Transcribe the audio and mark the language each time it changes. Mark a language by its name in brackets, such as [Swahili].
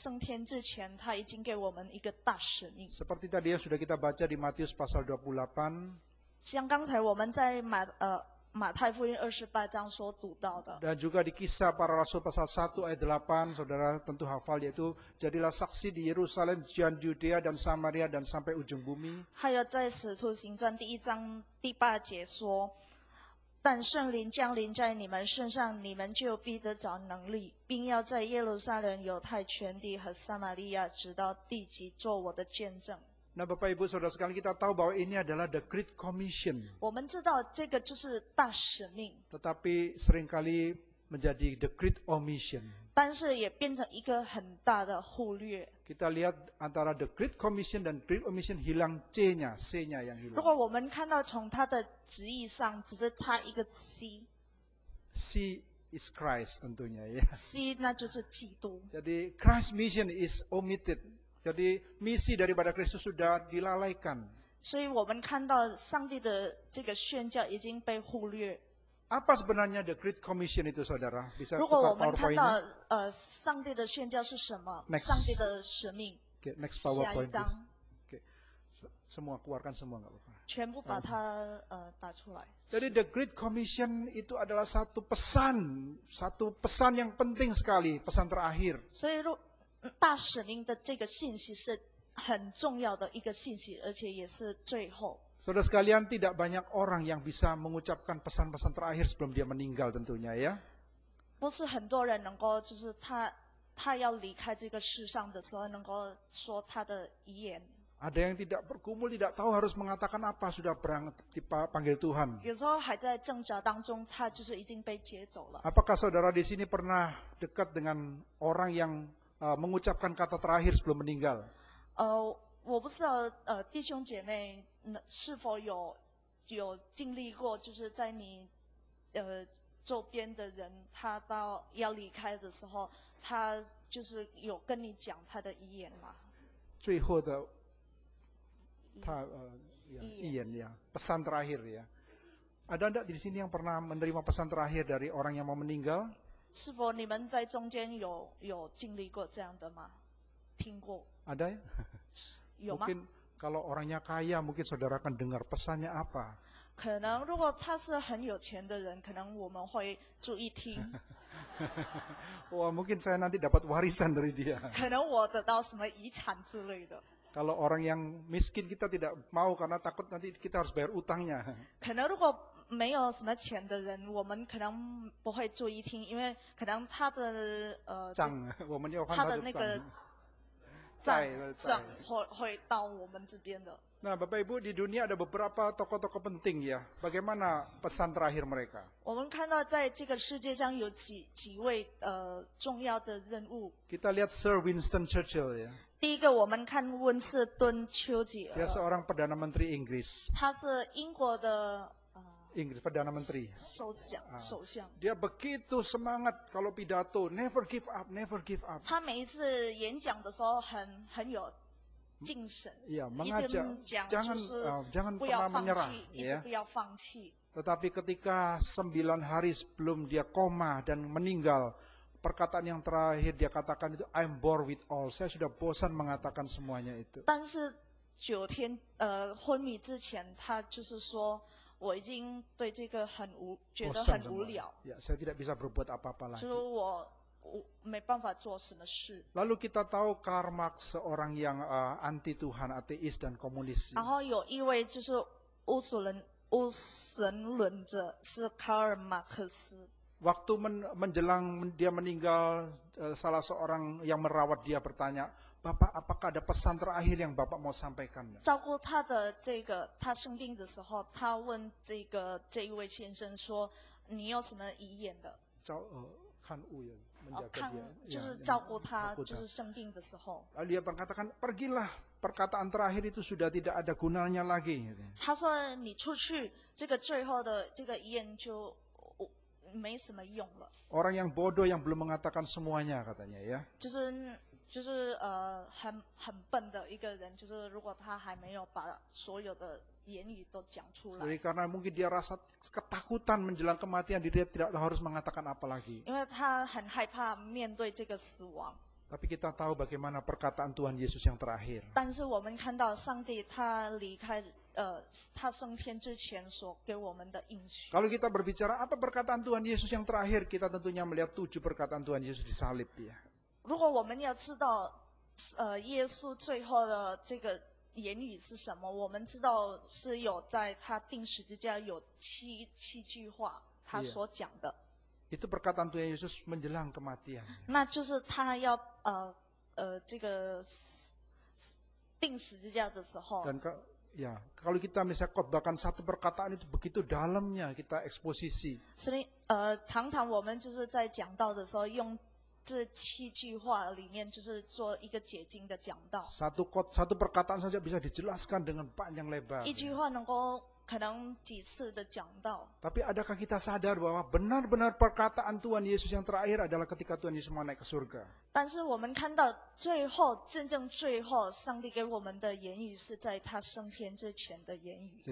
[Chinese] 因为耶稣在他最后升天之前，他已经给我们一个大使命。 [Indonesian] Seperti tadi yang sudah kita baca di Matius pasal 28. [Chinese] 像刚才我们在马太福音28章所读到的。 [Indonesian] Dan juga di Kisah Para Rasul pasal 1 ayat 8, saudara tentu hafal yaitu jadilah saksi di Yerusalem, dan Yudea dan Samaria dan sampai ujung bumi. [Chinese] 还有在使徒行传第一章第八节说。但圣灵降临在你们身上，你们就必得着能力，并要在耶路撒冷、犹太全地和撒玛利亚，直到地极，做我的见证。 [Indonesian] Nah, Bapak Ibu Saudara sekalian, kita tahu bahwa ini adalah [English] the great commission. [Chinese] 我们知道这个就是大使命。 [Indonesian] Tetapi seringkali menjadi [English] the great omission. [Chinese] 但是也变成一个很大的忽略。 [Indonesian] Kita lihat antara [English] the great commission [Indonesian] dan [English] great omission [Indonesian] hilang C-nya, C-nya yang hilang. [Chinese] 如果我们看到从它的旨意上只是差一个 C。 [English] C is Christ [Indonesian] tentunya ya. [Chinese] C 那就是基督。 [Indonesian] Jadi [English] Christ's mission is omitted. [Indonesian] Jadi misi daripada Kristus sudah dilalaikan. [Chinese] 所以我们看到上帝的这个宣教已经被忽略。 [Indonesian] Apa sebenarnya [English] the Great Commission [Indonesian] itu, saudara? Bisa buka [Chinese] 如果我们看到上帝的宣教是什么？ [English] Next. [Chinese] 上帝的使命。 [English] Okay, next PowerPoint. Okay. [Indonesian] Semua keluarkan semua, enggak apa-apa. [Chinese] 全部把它打出来。 [Indonesian] Jadi [English] the Great Commission [Indonesian] itu adalah satu pesan yang penting sekali, pesan terakhir. [Chinese] 所以大使命的这个信息是很重要的一个信息，而且也是最后。 [Indonesian] Saudara sekalian, tidak banyak orang yang bisa mengucapkan pesan-pesan terakhir sebelum dia meninggal tentunya ya. [Chinese] 不是很多人能够就是他要离开这个世上的时候能够说他的遗言。 [Indonesian] Ada yang tidak berkumpul, tidak tahu harus mengatakan apa sudah panggil Tuhan. [Chinese] 有时候还在挣扎当中，他就是已经被接走了。 [Indonesian] Apakah saudara di sini pernah dekat dengan orang yangmengucapkan kata terakhir sebelum meninggal. [Chinese] 我不知道弟兄姐妹是否有经历过，就是在你周边的人他到要离开的时候，他就是有跟你讲他的遗言吗？最后的他遗言呀， [Indonesian] pesan terakhir ya. Ada enggak di sini yang pernah menerima pesan terakhir dari orang yang mau meninggal? [Chinese] 是否你们在中间有经历过这样的吗？听过？ [Indonesian] Ada ya? [Chinese] 有吗？ [Indonesian] Mungkin kalau orangnya kaya, mungkin saudara akan dengar pesannya apa? [Chinese] 可能如果他是很有钱的人，可能我们会注意听。 [Indonesian] Wah, mungkin saya nanti dapat warisan dari dia. [Chinese] 可能我得到什么遗产之类的。 [Indonesian] Kalau orang yang miskin kita tidak mau karena takut nanti kita harus bayar utangnya. [Chinese] 可能如果没有什么钱的人，我们可能不会注意听，因为可能他的账，我们要看他的那个账会到我们这边的。 [Indonesian] Nah, Bapak Ibu, di dunia ada beberapa tokoh-tokoh penting ya. Bagaimana pesan terakhir mereka? [Chinese] 我们看到在这个世界上有几位重要的人物。 [Indonesian] Kita lihat Sir Winston Churchill ya. [Chinese] 第一个我们看温斯顿丘吉尔，他是 [Indonesian] orang perdana menteri Inggris， [Chinese] 他是英国的 [Indonesian] Inggris perdana menteri， [Chinese] 首相。 [Indonesian] Dia begitu semangat kalau pidato， [English] never give up， never give up。 [Chinese] 他每一次演讲的时候很有精神， [Indonesian] ya, 嘛，jangan pernah menyerah， [Chinese] 不要放弃。 [Indonesian] Tetapi ketika 9 hari sebelum dia koma dan meninggal。 Perkataan yang terakhir dia katakan itu [English] I'm bored with all. [Indonesian] Saya sudah bosan mengatakan semuanya itu. [Chinese] 但是九天昏迷之前，他就是说我已经对这个很无觉得很无聊。 [Indonesian] Ya, saya tidak bisa berbuat apa-apa lagi. [Chinese] 就是我没办法做什么事。 [Indonesian] Lalu kita tahu Karl Marx seorang yang anti Tuhan, ateis dan komunis. [Chinese] 然后有一位就是无神论者是卡尔马克思。 [Indonesian] Waktu menjelang dia meninggal, salah seorang yang merawat dia bertanya, Bapak, apakah ada pesan terakhir yang Bapak mau sampaikan? [Chinese] 照顾他的这个他生病的时候，他问这个这一位先生说，你有什么遗言的？照看护人，看就是照顾他，就是生病的时候。 [Indonesian] Lalu dia berkatakan, pergilah, perkataan terakhir itu sudah tidak ada gunanya lagi. [Chinese] 他说你出去，这个最后的这个遗言就。没什么用了。 [Indonesian] Orang yang bodoh yang belum mengatakan semuanya katanya ya. [Chinese] 就是很笨的一个人，就是如果他还没有把所有的言语都讲出来。所以， [Indonesian] karena mungkin dia rasa ketakutan menjelang kematian, dia tidak harus mengatakan apa lagi. [Chinese] 因为他很害怕面对这个死亡。 [Indonesian] Tapi kita tahu bagaimana perkataan Tuhan Yesus yang terakhir. [Chinese] 但是我们看到上帝他离开。他升天之前所给我们的应许。 [Indonesian] Kalau kita berbicara apa perkataan Tuhan Yesus yang terakhir, kita tentunya melihat 7 perkataan Tuhan Yesus di salib ya. [Chinese] 如果我们要知道耶稣最后的这个言语是什么，我们知道是有在他钉十字架有七句话他所讲的。 [Indonesian] Yeah. Itu perkataan Tuhan Yesus menjelang kematian. [Chinese] 那就是他要这个钉十字架的时候。 [Indonesian] Dan ya, kalau kita misalnya khotbahkan satu perkataan itu begitu dalamnya kita eksposisi. [Chinese] 常常我们就是在讲道的时候用这七句话里面就是做一个解经的讲道。 [Indonesian] Satu perkataan saja bisa dijelaskan dengan panjang lebar. [Chinese] 一句话能够可能几次的讲到。 [Indonesian] Tapi adakah kita sadar bahwa benar-benar perkataan Tuhan Yesus yang terakhir adalah ketika Tuhan Yesus mau naik ke surga? [Chinese] 但是我们看到最后真正最后上帝给我们的言语是在他升天之前的言语。